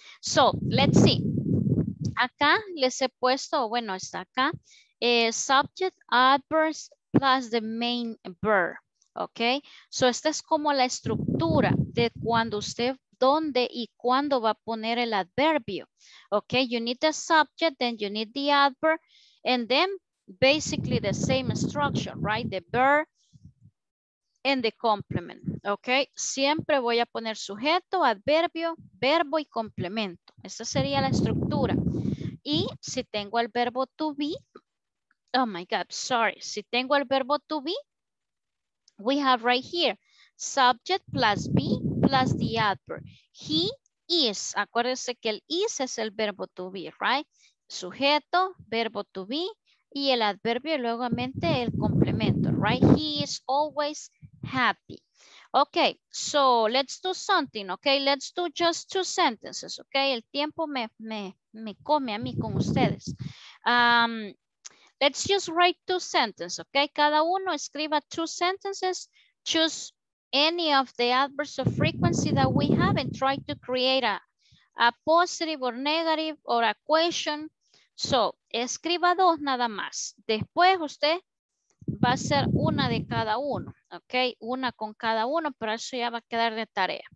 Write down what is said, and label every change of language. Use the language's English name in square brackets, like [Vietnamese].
[English] So, let's see, [Spanish] acá les he puesto, bueno, está acá [English] subject, adverb plus the main verb, [Spanish] ok, so esta es como la estructura de cuando usted dónde y cuándo va a poner el adverbio. [English] Ok, you need the subject, then you need the adverb, and then basically the same structure, right? The verb and the complement. [Spanish] Ok, siempre voy a poner sujeto, adverbio, verbo y complemento. Esa sería la estructura. Y si tengo el verbo to be, [English] oh my God, sorry, [Spanish] si tengo el verbo to be, [English] we have right here, subject plus be, plus the adverb, he is, [Spanish] acuérdense que el is es el verbo to be, right? Sujeto, verbo to be, y el adverbio, y luego mente el complemento, right? [English] He is always happy. Okay, so let's do something, okay? Let's do just two sentences, okay? [Spanish] El tiempo me come a mí con ustedes. [English] Let's just write two sentences, okay? [Spanish] Cada uno escriba [English] two sentences, choose any of the adverbs of frequency that we have and try to create a positive or negative or a question. [Spanish] So, escriba dos nada más. Después usted va a hacer una de cada uno, ¿ok? Una con cada uno, pero eso ya va a quedar de tarea.